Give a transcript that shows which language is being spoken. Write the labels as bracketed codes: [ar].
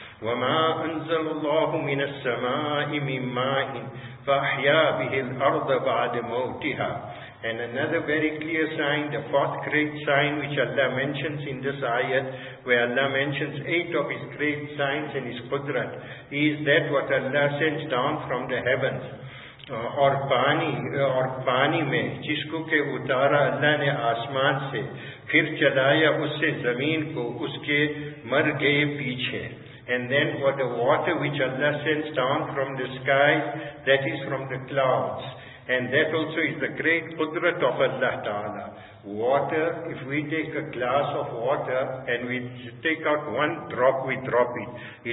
[ar] وَمَا أَنزَلُ اللَّهُ مِنَ السَّمَاءِ مِنْ مَاءٍ فَأَحْيَا بِهِ الْأَرْضَ بَعْدِ مَوْتِهَا. [en] And another very clear sign, the fourth great sign which Allah mentions in this ayat, where Allah mentions eight of His great signs and His Qudrat, is that what Allah sends down from the heavens. [ur] اور پانی میں جس کو کہ اتارا اللہ نے آسمان سے پھر چلایا اس سے زمین کو اس کے مر گئے پیچھے. [en] And then for the water which Allah sends down from the sky, that is from the clouds. And that also is the great Qudrat of Allah Ta'ala. Water, if we take a glass of water and we take out one drop, we drop it.